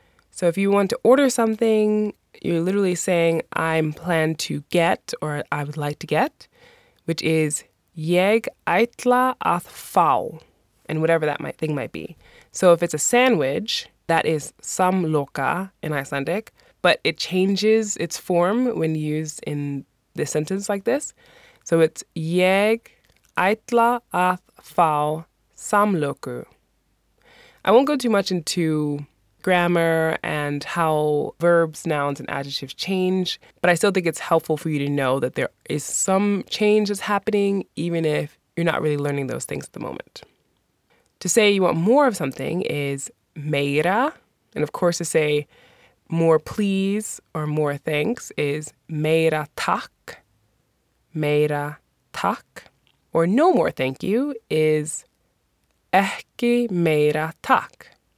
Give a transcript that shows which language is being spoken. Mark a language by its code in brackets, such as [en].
[en] So if you want to order something, you're literally saying, I'm planning to get, or I would like to get, which is, [is] ég ætla að fá, [en] and whatever that thing might be. So if it's a sandwich, that is samloka in Icelandic, but it changes its form when used in the sentence like this. [is] So it's, ég ætla að fá samloku. [en] I won't go too much into grammar and how verbs, nouns, and adjectives change, but I still think it's helpful for you to know that there is some change that's happening, even if you're not really learning those things at the moment. To say you want more of something is meira, and of course to say more please or more thanks is [is] meira takk, [en] or no more thank you is [is] ekki meira takk.